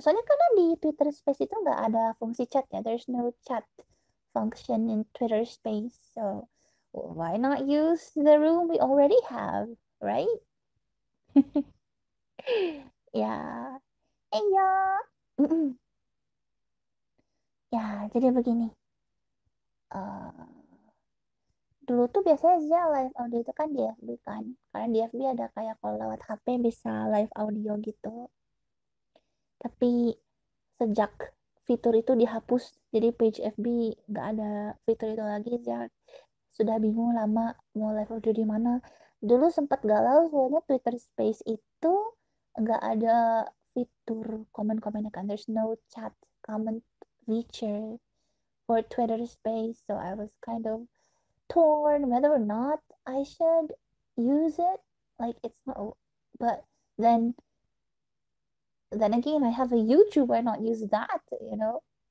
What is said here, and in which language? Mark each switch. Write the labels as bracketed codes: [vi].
[id] Soalnya karena di Twitter Space itu nggak ada fungsi chat ya. [en] There's no chat function in Twitter Space. So, why not use the room we already have, right? Yeah. Hey, ya. [id] Yeah, jadi begini. Dulu tuh biasanya aja live audio itu kan di FB kan. Karena di FB ada kayak kalau lewat HP bisa live audio gitu. Tapi sejak fitur itu dihapus, jadi page FB nggak ada fitur itu lagi, ya sudah bingung lama mau live audio di mana. Dulu sempat galau soalnya Twitter Space itu nggak ada fitur komen-komen kan, [en] there's no chat comment feature for Twitter Space, so I was kind of torn whether or not I should use it, like it's not, but then again, I have a YouTube, why not use that, you know?